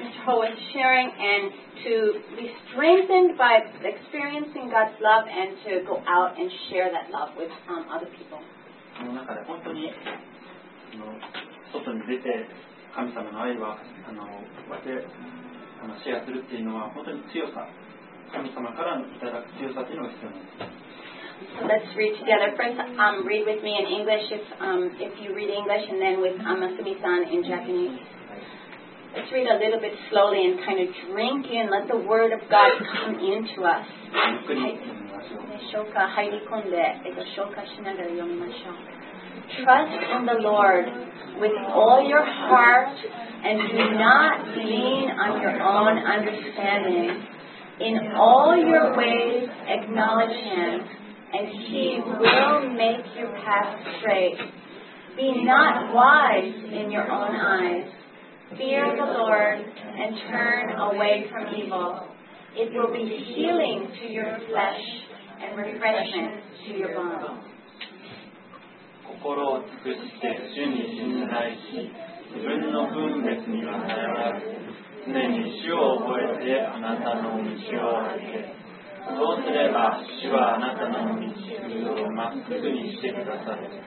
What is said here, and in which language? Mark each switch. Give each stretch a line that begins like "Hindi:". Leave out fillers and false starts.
English: Ho is sharing, and to be strengthened by experiencing God's love and to go out and share that love with other people.
Japanese: この中で本当に外に出て神様の愛はこうやってシェアするっていうのは本当に強さ。
English: So let's read together. First, read with me in English if you read English, and then with Masumi-san in Japanese. Let's read a little bit slowly and kind of drink in. Let the word of God come into us. Trust in the Lord with all your heart. and do not lean on your own understanding. In all your ways acknowledge Him, and He will make your path straight. Be not wise in your own eyes. Fear the Lord and turn away from evil. It will be healing to your flesh and refreshment to your bones.
Japanese: 心を尽くして主に信頼し、自分の分別には頼らず、常に主を覚えてあなたの道を歩け。そうすれば主はあなたの道をまっすぐにしてくださる。